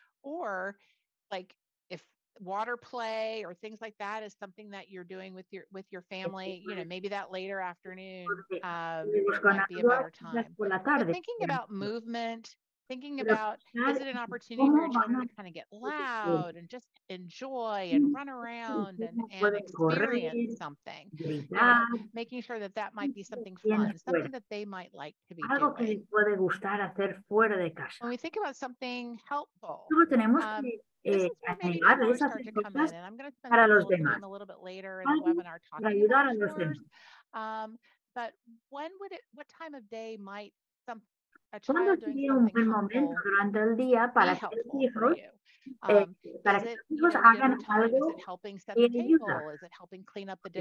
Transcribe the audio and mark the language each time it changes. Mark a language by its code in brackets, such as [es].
[en] Or like if water play or things like that is something that you're doing with your family, maybe that later afternoon might be a better time. But thinking about movement, Thinking about, is it an opportunity for children to kind of get loud and just enjoy and run around and experience something? Making sure that that might be something fun, something that they might like to be doing. [es] Algo que puede gustar hacer fuera de casa. [en] When we think about something helpful, [es] animarles a hacer cosas para los demás. Para ayudar a los demás. [en] But when would it, what time of day might some [es] ¿Cuándo sería un buen momento durante el día para que los hijos, para que los hijos hagan algo que les ayuda?